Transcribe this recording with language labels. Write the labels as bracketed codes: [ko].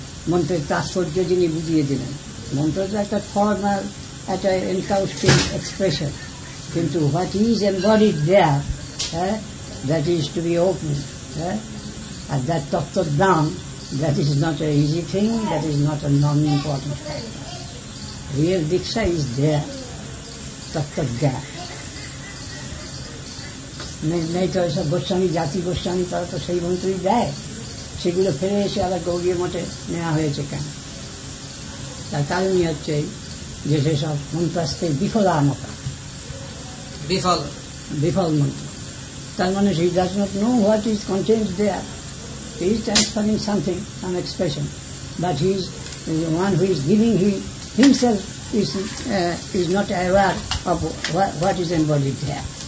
[bn] মন্ত্রের তাৎপর্য যিনি বুঝিয়ে দিলেন, মন্ত্র তো একটা [en] Formal একটা ইনকাউস্টিং expression, কিন্তু what is embodied there that is to be open, at that tattva dham, that is not an easy thing, that is not a non-important thing. Real diksha is there, tattva dham. [bn] নেইতো এসব গোস্বামী জাতি গোস্বামী তারা তো সেই মন্ত্রই দেয়, সেগুলো ফেলে এসে আবার গৌড়ীয় মঠে নেওয়া হয়েছে কেন? তার কারণই হচ্ছে এই যে সেসব মন্ত্র আসতে বিফলামতা, বিফল বিফল মন্ত্র, তার মানে সেই দাসমত [en] know what is content there, he is transferring something some expression, but he is one who is giving he himself is not aware of what is embodied there,